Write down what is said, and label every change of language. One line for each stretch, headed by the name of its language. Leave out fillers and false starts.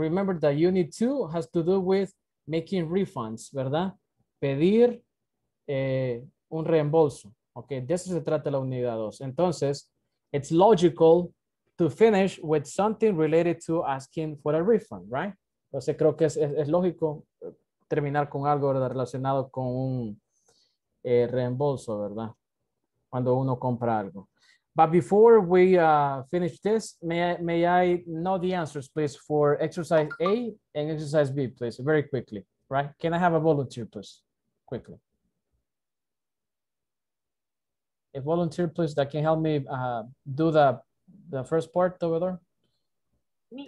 English: Remember that unit 2 has to do with making refunds, ¿verdad?
Spanish: Pedir un reembolso. Okay, de eso se trata la unidad 2.
English: Entonces, it's logical to finish with something related to asking for a refund, right?
Spanish: Entonces, creo que es lógico terminar con algo relacionado con un reembolso, ¿verdad? Cuando uno compra algo.
English: But before we finish this, may I know the answers, please, for exercise A and exercise B, please, very quickly, right? Can I have a volunteer, please, quickly? A volunteer, please, that can help me do the first part over there.